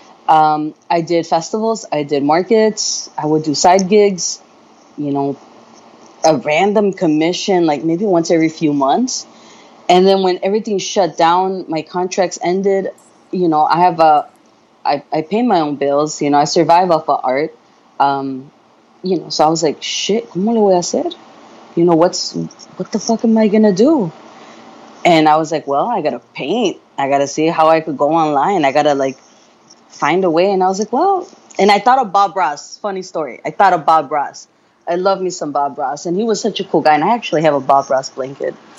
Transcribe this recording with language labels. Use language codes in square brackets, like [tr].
[en] I did festivals, I did markets, I would do side gigs, you know, a random commission, like maybe once every few months. And then when everything shut down, my contracts ended, you know, I pay my own bills, you know, I survive off of art. You know, so I was like, shit, [es] ¿cómo le voy a hacer? [en] You know, what the fuck am I going to do? And I was like, well, I got to paint. I got to see how I could go online. I got to, like, find a way. And I was like, well, and I thought of Bob Ross. Funny story. I thought of Bob Ross. I love me some Bob Ross. And he was such a cool guy. And I actually have a Bob Ross blanket.